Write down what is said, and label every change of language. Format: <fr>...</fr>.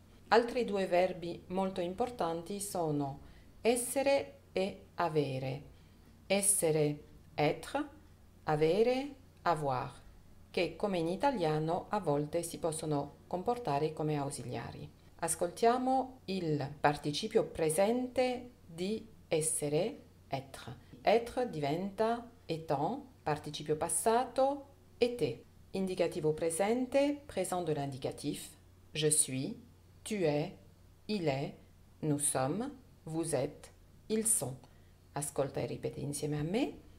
<it>Altri due verbi molto importanti sono essere e avere. Essere, être, avere, avoir, che come in italiano a volte si possono comportare come ausiliari. Ascoltiamo il participio presente di essere, être. Être diventa étant, participio passato, été.</it> <fr>Indicativo presente, présent de l'indicatif. Je suis. Tu es, il est, nous sommes, vous êtes, ils sont.</fr> <it>Ascolta e ripeti insieme a me.</it>